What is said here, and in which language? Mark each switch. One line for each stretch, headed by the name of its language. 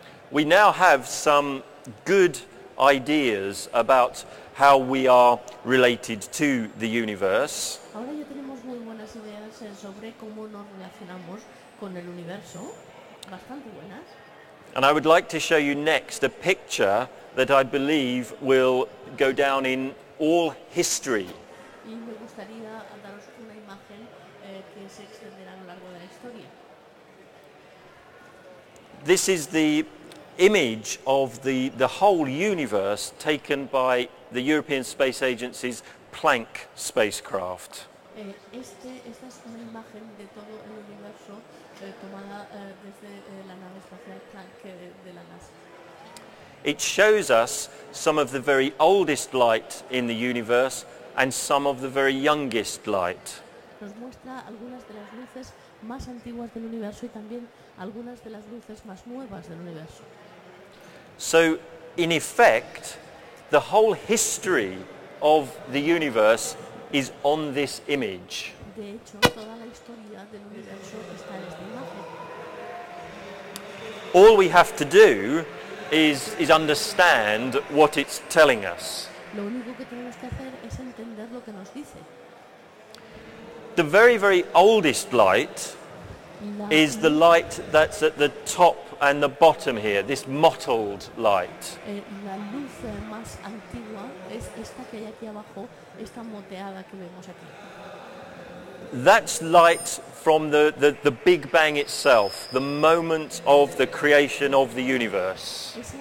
English: We now have some good ideas about how we are related to the universe.
Spanish: Ahora ya tenemos muy buenas ideas sobre cómo nos relacionamos con el universo, bastante buenas.
English: And I would like to show you next a picture that I believe will go down in all history.
Spanish: Y me gustaría daros una imagen que se extenderá a lo largo de la historia.
English: This is the image of the whole universe taken by the European Space Agency's Planck spacecraft.
Spanish: Esta es una imagen de todo el universo tomada desde la nave espacial Planck de la NASA.
English: It shows us some of the very oldest light in the universe and some of the very youngest light.
Spanish: nos muestra algunas de las luces más antiguas del universo y también algunas de las luces más nuevas del universo.
English: So, in effect, the whole history of the universe is on this image.
Spanish: De hecho, toda la historia del universo está en esta imagen.
English: All we have to do is understand what it's telling us.
Spanish: Lo único que tenemos que hacer es entender lo que nos dice.
English: The very, very oldest light is the light that's at the top and the bottom here, this mottled light.
Spanish: La luz más antigua es esta que hay aquí abajo, esta moteada que vemos aquí.
English: That's light from the Big Bang itself, the moment of the creation of the universe.